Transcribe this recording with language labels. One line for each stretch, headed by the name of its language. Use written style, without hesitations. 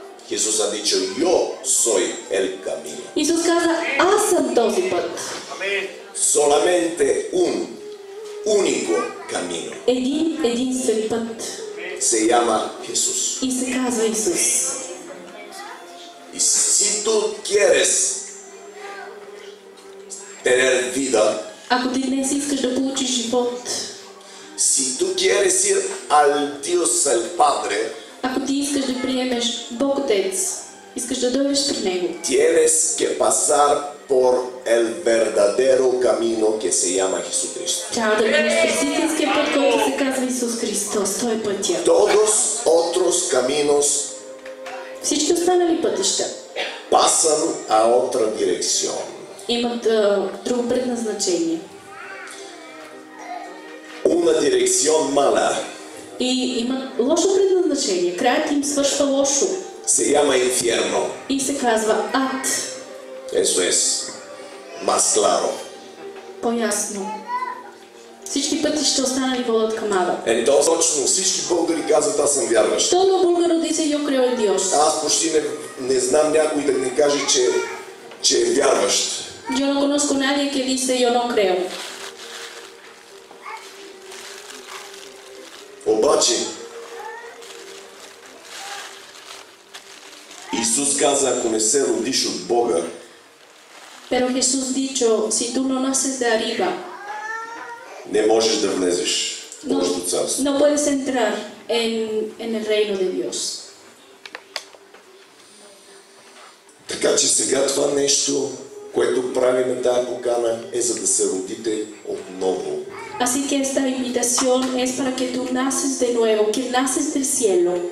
Spanish: Jesús ha dicho, yo soy el camino.
Bulgarian: Исус каза, аз съм този път.
Spanish: Amén. Solamente un único camino.
Bulgarian: Един път.
Spanish: Se llama Jesús.
Bulgarian: И се казва Исус.
Spanish: Y si tú quieres tener vida,
Bulgarian: ако ти днес искаш да получиш живот,
Spanish: si tú quieres ir al Dios, al Padre,
Bulgarian: ако ти искаш да приемеш Бог Отец, искаш да дойдеш при Него,
Spanish: tienes que pasar por el verdadero camino que se llama Jesucristo.
Bulgarian: Трябва да минеш през истинския път, който се казва Исус Христос. Той е пътя.
Spanish: Todos otros caminos,
Bulgarian: всички останали пътища,
Spanish: pasan a otra dirección,
Bulgarian: имат друго предназначение.
Spanish: Una dirección mala.
Bulgarian: И имат лошо предназначение. Краят им свършва лошо.
Spanish: Se llama infierno.
Bulgarian: И се казва ад.
Spanish: Eso es más claro.
Bulgarian: По-ясно. Всички пътища останали водят към ада. Ето точно, всички българи казват, аз съм вярващ. Толно българ родица и окрил е диош. Аз почти не знам някой да не каже, че е вярващ.
Spanish: Yo no conozco nadie que dice yo no creo.
Bulgarian: Обаче Исус каза, ако не се родиш от Бога.
Spanish: Pero Jesús dijo, si tú no naces de arriba,
Bulgarian: не можеш да влезеш в Божието царство.
Spanish: No puedes entrar en el reino de Dios.
Bulgarian: Така че сега това нещо, което правим, тази покана, е за да се родите отново.
Spanish: Así que esta invitación es para que tú naces de nuevo, que naces del cielo.